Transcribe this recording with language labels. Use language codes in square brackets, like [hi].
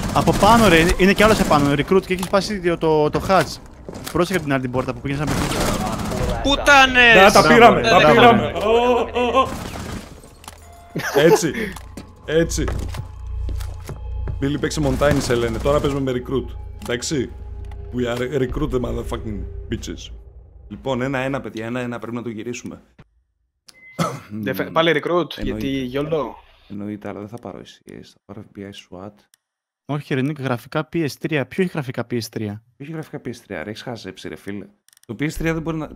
[el] Από πάνω ρε, είναι κι άλλος επάνω, recruit και έχεις πάσει το χατς. Πρόσεχε την άλλη την πόρτα που πήγες να πήγες. Πουτάνες! Να, τα πήραμε, τα πήραμε. Έτσι, έτσι. Μπίλι, παίξε Mountain, σε λένε, τώρα παίζουμε με recruit, εντάξει. [en] We are recruit the motherfucking bitches. [el] Λοιπόν, ένα-ένα, παιδιά, ένα-ένα, πρέπει να το γυρίσουμε. Πάλι recruit, γιατί γιόλο. Εννοείται, αλλά δεν θα πάρω εσύ, θα πάρω FBI SWAT. Όχι, Ρενίκ, γραφικά PS3. Ποιο έχει γραφικά PS3? Ποιο έχει γραφικά PS3, ρε, έχεις χαζέψει, ρε, φίλε. Το PS3 δεν μπορεί να...